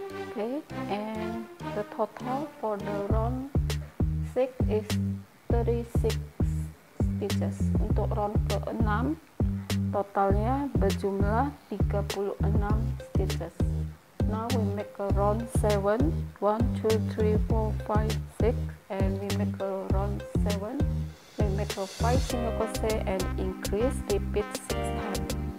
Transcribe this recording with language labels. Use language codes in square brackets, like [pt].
[en] Okay, and the total for the round 6 is 36 stitches. [id] Untuk round ke-6 totalnya berjumlah 36 stitches. [en] Now we make a round 7, 1, 2, 3, 4, 5, 6, and we make a round 7, we make a 5 single crochet and increase, repeat 6 times.